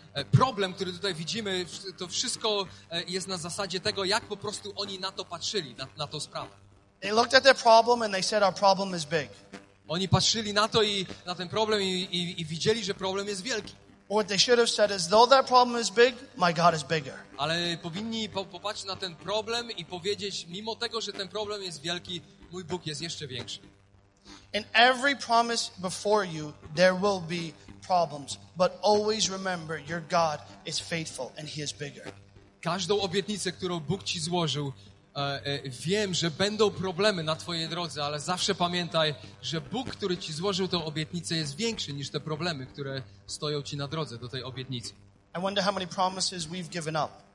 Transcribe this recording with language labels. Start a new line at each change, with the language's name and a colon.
Polish: Problem, który tutaj widzimy, to wszystko jest na zasadzie tego, jak po prostu oni na to patrzyli, na tą sprawę.
English: They looked at their problem and they said our problem is big.
Polish: Oni patrzyli na to i na ten problem i widzieli, że problem jest wielki.
English: What they should have said is though that problem is big, my God is bigger.
Polish: Ale powinni popatrzeć na ten problem i powiedzieć, mimo tego, że ten problem jest wielki, mój Bóg jest jeszcze większy.
English: In every promise before you, there will be problems. But always remember, your God is faithful and He is bigger.
Polish: Każdą obietnicę, którą Bóg ci złożył, wiem, że będą problemy na twojej drodze, ale zawsze pamiętaj, że Bóg, który ci złożył tę obietnicę, jest większy niż te problemy, które stoją ci na drodze do tej obietnicy.
English: I wonder how many promises we've given up.